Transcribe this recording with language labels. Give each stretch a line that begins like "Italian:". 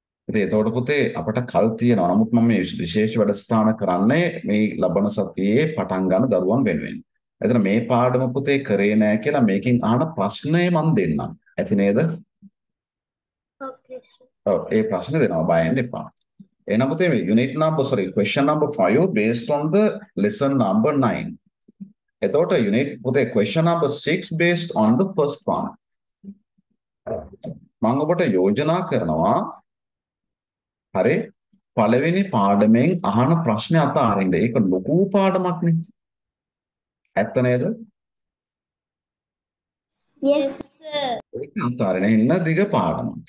Sinhala: ඉතින් එතකොට පුතේ අපට කල් තියෙනවා. නමුත් මම මේ විශේෂ වැඩසටහන කරන්නේ මේ ලබන සතියේ පටන් ගන්න දරුවන් වෙනුවෙන්. එතන මේ පාඩම පුතේ කරේ නැහැ කියලා මේකෙන් අහන ප්‍රශ්නේ මන් දෙන්නම්. ඇති නේද? Okay. ඔව් ඒ ප්‍රශ්නේ දෙනවා බය වෙන්න එපා. එහෙනම් පුතේ මේ
English: unit number sorry question number 5 based on the lesson number 9. එතකොට unit පුතේ question number 6 based on the first one.
Sinhala: මම ඔබට යෝජනා කරනවා හරි පළවෙනි පාඩමෙන් අහන ප්‍රශ්න අතාරින්න. ඒක ලොකු පාඩමක් නේ. ඇත්ත නේද?
English: Yes
Sinhala: sir. ඒක අතාරින්න ඉන්න දිග පාඩමක්.